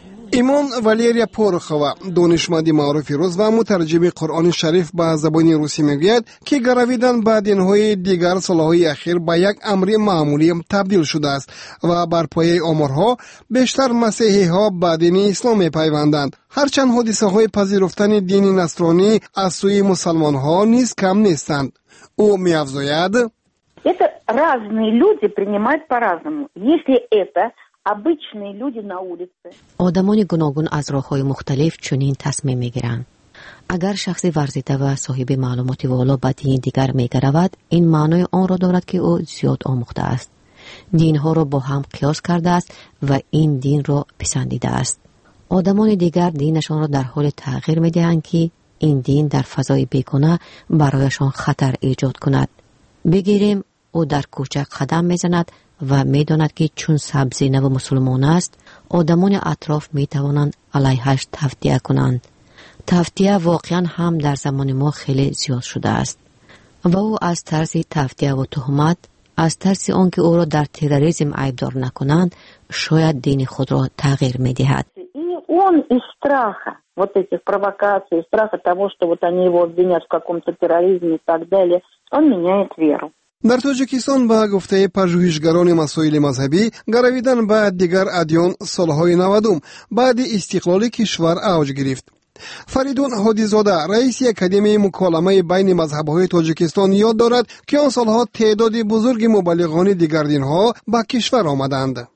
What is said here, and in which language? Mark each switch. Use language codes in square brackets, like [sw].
[fa] ایمان والیریا پورخوا، دانشمند معروف روس و مترجم قرآن شریف به زبان روسی، میگوید که گرویدن به دینهای دیگر سالهای اخیر به یک امر معمولی تبدیل شده است و بر پایه آمارها بیشتر مسیحی ها به دین اسلام میپیوندند، هرچند حادثه های پذیرفتن دین نصرانی از سوی مسلمان ها نیز کم نیستند. او میافزاید: [ru] разные люди принимают по-разному. Если это обычные люди на улице. [tg] Одамони гуногун аз роҳҳои мухталиф чунин тасмим мегиранд. Агар шахси варзита ва соҳиби маълумоти воло ба дин дигар мегаравад, ин маънои онро дорад ки ӯ зиёд омӯхтааст. Динҳоро бо ҳам қиёс кардааст ва ин динро писандидааст. Одамони дигар динашонро дар ҳоли тағйир медиҳанд ки ин дин дар фазои бекуна барояшон хатар эҷод кунад. Бигирем, ӯ дар кӯча қадам мезанад ва медонад ки чун сабзи наву мусулмон аст, одамони атроф метавонанд алайҳаш тавтия кунанд. Тавтия воқеан ҳам дар замони мо хеле зиёд шудааст. Ва ӯ аз тарзи тавтия ва туҳмат, аз тарзи он ки ӯро дар терроризм айбдор накунанд, шояд дини худро тағйир медиҳад. [ru] Он из страха вот этих провокаций, страха того, что вот они его обвинят в каком-то терроризме и так далее, он меняет веру. [tg] Дар Тоҷикистон ба гуфтаи пажӯҳишгарони масоили мазҳабӣ, гаравидан ба дигар адён солҳои 90-ум баъди истиқлоли кишвар авҷ гирифт. Фаридун Ҳодизода, раиси Академияи муколамаи байни мазҳабҳои Тоҷикистон, ёд дорад, ки он солҳо теъдоди бузурги мубаллиғони дигар динҳо ба кишвар омаданд.